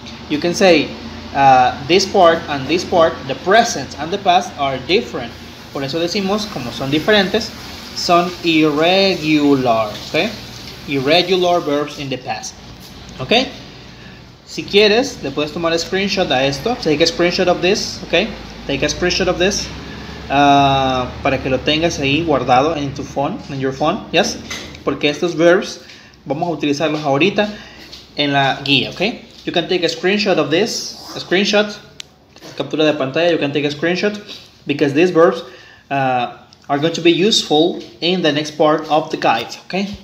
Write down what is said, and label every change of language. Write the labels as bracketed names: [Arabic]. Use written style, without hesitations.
[English] You can say this part and this part, the present and the past are different. [Spanish] Por eso decimos, como son diferentes, son irregular. Okay? [English] Irregular verbs in the past. Okay? [Spanish] Si quieres, le puedes tomar screenshot a esto. [English] Take a screenshot of this. Okay? Take a screenshot of this. [Spanish] Para que lo tengas ahí guardado en tu phone, [English] en your phone, yes? [Spanish] Porque estos verbs vamos a utilizarlos ahorita en la guía, okay? [English] You can take a screenshot of this, a screenshot, [Spanish] captura de pantalla, [English] you can take a screenshot, because these verbs are going to be useful in the next part of the guide, okay?